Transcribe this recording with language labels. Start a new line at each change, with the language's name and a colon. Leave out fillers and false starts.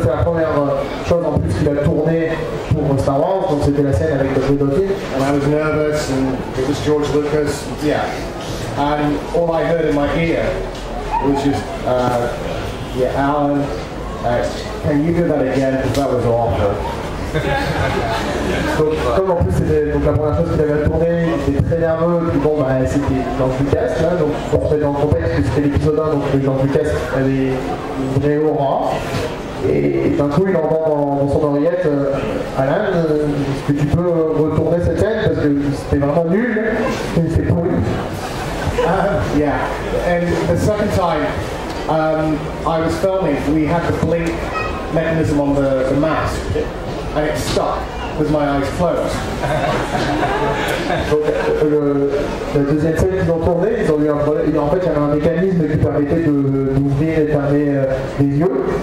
French: en plus qu'il a tourné pour Star Wars, donc c'était la scène avec Dr. Dottie.
English: And I was nervous and it was George Lucas, yeah. And all I heard in my ear was just, yeah, Alan, can you do that again, because that was awful.
French: Donc comme en plus c'était donc la première chose qu'il avait à tourner, il était très nerveux, puis bon bah c'était dans le casque là, donc pour se mettre en contexte, c'était l'épisode 1, donc le genre du casque avait une vraie aura. Et d'un coup il entend dans son oreillette, Alan, est-ce que tu peux retourner cette scène parce que c'était vraiment nul, et c'est pourri.
English: Yeah. And the second time I was filming, we had the blink mechanism on the mask. And it stuck with my eyes closed.
French: Donc la deuxième scène qu'ils ont tourné, ils ont eu un problème. En fait, il y avait un mécanisme qui permettait d'ouvrir et fermer les yeux.